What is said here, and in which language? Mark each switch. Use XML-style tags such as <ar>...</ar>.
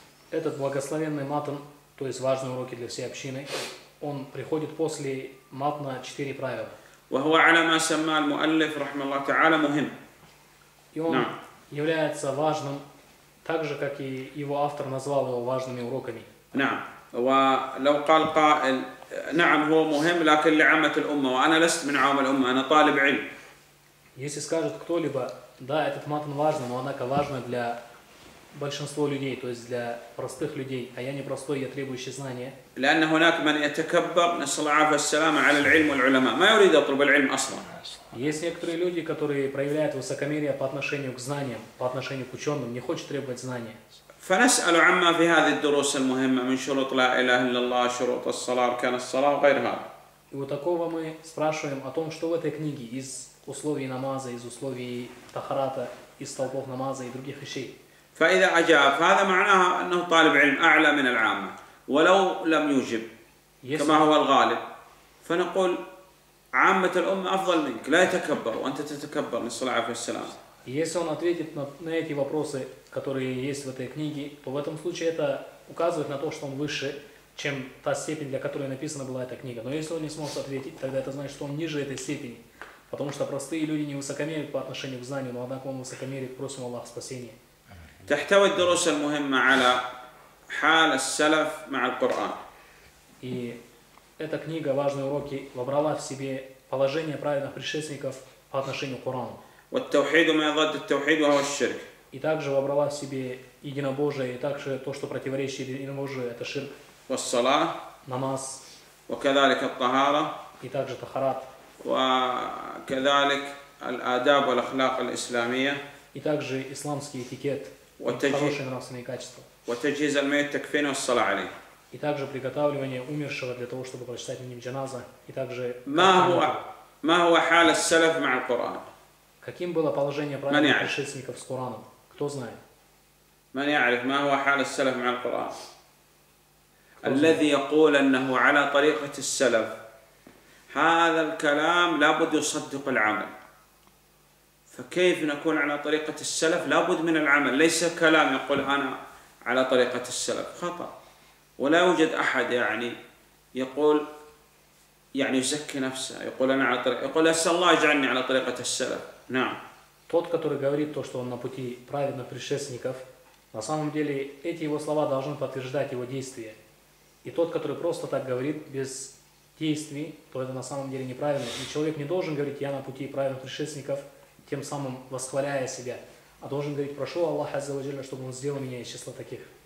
<ru>Этот благословенный матн, то есть важные уроки для всей общины, он приходит после матна четыре правила. И он является важным, так же, как и его автор назвал его важными уроками.</ru> <ar>ولو قال قائل نعم هو مهم لكن لعامة الأمة وأنا لست من عام الأمة أنا طالب علم.</ar> <ru>если скажет кто-либо да этот матн важен но однако важен для большинства людей то есть для простых людей а я не простой я требующий знания.</ru> <ar>لأن هناك من يتكبر نسأل الله السلامة على العلم والعلماء ما يريد يطلب العلم أصلا.</ar> <ru>есть некоторые люди которые проявляют высокомерие по отношению к знаниям по отношению к ученым не хочет требовать знания.</ru> <ar>فنسأل عما في هذه الدروس المهمة من شروط لا إله إلا الله شروط الصلاة كان الصلاة غيرها.</ar> <ru>وو такого мы спрашиваем о том что в этой книге из условий намаза из условий тахарата из столпов намаза и других вещей.</ru> <ar>فإذا أجاب هذا معناها أنه طالب علم أعلى من العامة ولو لم يجب كما هو الغالب فنقول عامة الأمة أفضل منك لا يتكبر وأنت تتكبر من صلاة والسلام.</ar> <ru>Если он ответит на эти вопросы, которые есть в этой книге, то в этом случае это указывает на то, что он выше, чем та степень, для которой написана была эта книга. Но если он не сможет ответить, тогда это значит, что он ниже этой степени. Потому что простые люди не высокомерят по отношению к знанию, но однако он высокомерит, просим Аллах спасения.</ru> <ar>تحتوي الدروس المهمة على حال السلف مع القرآن.</ar> <ru>И эта книга, важные уроки, вобрала в себе положение праведных предшественников по отношению к Корану.</ru> <ar>والتوحيد ما ضد التوحيد وهو الشرك.</ar> <ru>И также вобрала в себе единобожие и также то, что противоречит единобожию, это ширк.</ru> <ar>والصلاة.</ar> <ru>Намаз.</ru> <ar>وكذلك الطهارة.</ar> <ru>И также тахарат.</ru> <ar>وكذلك الآداب والأخلاق الإسلامية.</ar> <ru>И также исламский этикет. Хорошие нравственные качества.</ru> <ar>وتجهيز الميت تكفين والصلاة عليه.</ar> <ru>И также приготовление умершего для того, чтобы прочитать на нем джаназа. И также.</ru> <ar>ما هو حال السلف مع القرآن؟</ar> <ru>Каким было положение правильных предшественников с Кораном? Кто знает?</ru> <ar>من يعرف ما هو حال السلف مع القرآن؟ الذي يقول أنه على طريقة السلف هذا الكلام لابد يصدق العمل. فكيف نكون على طريقة السلف؟ لابد من العمل. ليس كلام يقول أنا على طريقة السلف خطأ. ولا يوجد أحد يعني يقول يعني يزكي نفسه يقول أنا على طريقة يقول أسأل الله يجعلني على طريقة السلف.</ar> <ru>Тот, который говорит то, что он на пути праведных предшественников, на самом деле эти его слова должны подтверждать его действия. И тот, который просто так говорит, без действий, то это на самом деле неправильно. И человек не должен говорить «я на пути праведных предшественников», тем самым восхваляя себя, а должен говорить «прошу Аллаха, чтобы он сделал меня из числа таких».</ru>